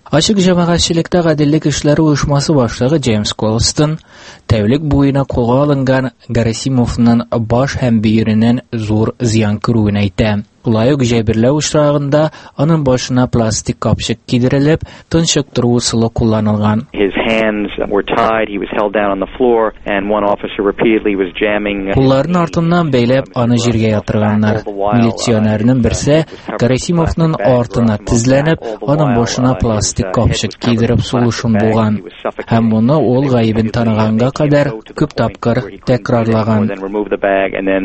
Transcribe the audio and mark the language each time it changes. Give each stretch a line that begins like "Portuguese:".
Tatar: Ачык җәмәгатьчелектә гаделлек эшләре оешмасы башлыгы Джеймс Колстон тәүлек буена кулга алынган Герасимовның баш һәм бөйренен зур зыян күрүен әйтә. Лайык җәберләү очрагында аның башына пластик капчык кидерелеп, тынчыктыру усулы кулланылган.
English: His hands were tied, he was held down on the floor and one officer repeatedly was jamming.
Tatar: Кулларын артыннан бәйләп, аны җиргә ятырганнар. Милиционерның берсе Герасимовның артына тезләнеп, аның башына пластик капчык кидереп сулышын булган. Һәм моны ул гаебен таныганга кадәр күп тапкыр тәкрарлаган.